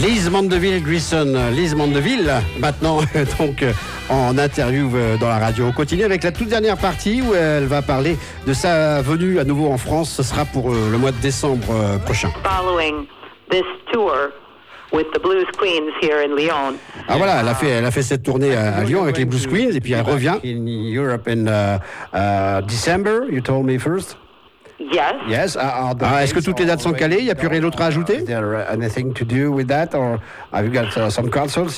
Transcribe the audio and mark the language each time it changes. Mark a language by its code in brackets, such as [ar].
[fr] Mandeville Grissom, Liz Mandeville, maintenant donc en interview dans la radio. On continue avec la toute dernière partie où elle va parler de sa venue à nouveau en France. Ce sera pour le mois de décembre prochain. [en] Following this tour with the Blues Queens here in Lyon. [fr] Ah voilà, elle a fait cette tournée à Lyon avec les Blues Queens et puis elle revient. [en] In Europe in December, you told me first. Yes. Yes. [fr] Est-ce que toutes les dates sont calées? Il n'y a plus rien d'autre à ajouter? [en] Is there anything to do with that, or have you got some consoles?